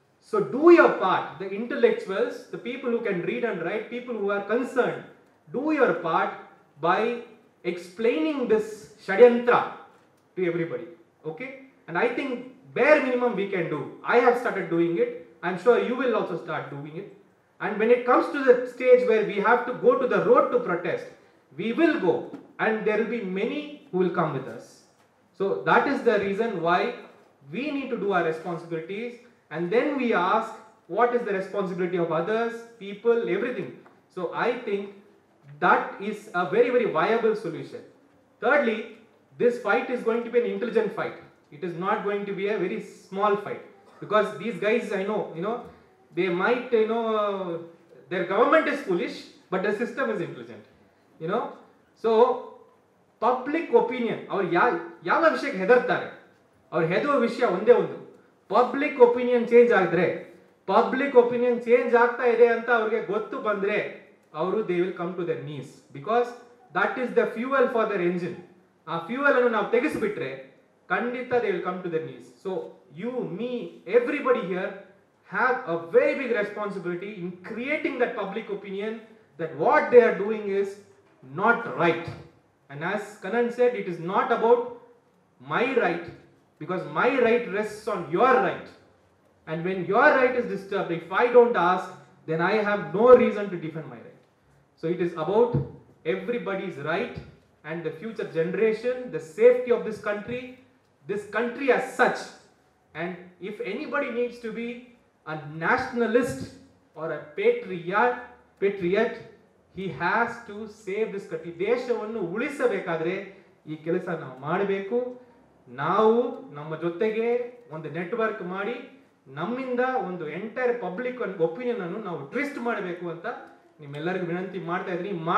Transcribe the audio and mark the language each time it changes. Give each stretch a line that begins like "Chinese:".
English: So do your part, the intellectuals, the people who can read and write, people who are concern, do your part by explaining this ಷಡ್ಯಂತ್ರ to everybody. Okay, and I think bare minimum we can do, I have started doing it, I am sure you will also start doing it. And when it comes to the stage where we have to go to the road to protest, we will go, and there will be many who will come with us. So that is the reason why we need to do our responsibilities, and then we ask what is the responsibility of others, people, everything. So I think that is a very, very viable solution. Thirdly, this fight is going to be an intelligent fight. It is not going to be a very small fight, because these guys, I know, you know, they might, you know, their government is foolish, but the system is intelligent, you know.
Kannada: So public opinion, ಅವ್ರು ಯಾವ ವಿಷಯಕ್ಕೆ ಹೆದರ್ತಾರೆ, ಅವ್ರು ಹೆದುವ ವಿಷಯ ಒಂದೇ ಒಂದು, public opinion change ಆದರೆ, public opinion change ಆಗ್ತಾ ಇದೆ ಅಂತ ಅವ್ರಿಗೆ ಗೊತ್ತು ಬಂದರೆ ಅವರು
English: They will come to their knees, because that is the fuel for their engine.
Kannada: ಆ ಫ್ಯೂವಲನ್ನು ನಾವು ತೆಗೆಸಿಬಿಟ್ರೆ ಖಂಡಿತ
English: They will come to their knees. So you me everybody here have a very big responsibility in creating that public opinion that what they are doing is not right. And as Kanan said, it is not about my right, because my right rests on your right. And when your right is disturbed, if I don't ask, then I have no reason to defend my right. So it is about everybody's right and the future generation, the safety of this country as such. And if anybody needs to be a nationalist or a patriot, he has to save this country.
Kannada: ದೇಶವನ್ನು ಉಳಿಸಬೇಕಾದ್ರೆ ಈ ಕೆಲಸ ನಾವು ಮಾಡಬೇಕು. ನಾವು ನಮ್ಮ ಜೊತೆಗೆ ಒಂದು network ಮಾಡಿ ನಮ್ಮಿಂದ ಒಂದು ಎಂಟೈರ್ ಪಬ್ಲಿಕ್ ಒಪಿನಿಯನ್ ಅನ್ನು ನಾವು ಟ್ವಿಸ್ಟ್ ಮಾಡಬೇಕು ಅಂತ ನಿಮ್ಮೆಲ್ಲರಿಗೂ ವಿನಂತಿ ಮಾಡ್ತಾ ಇದ್ದೀನಿ.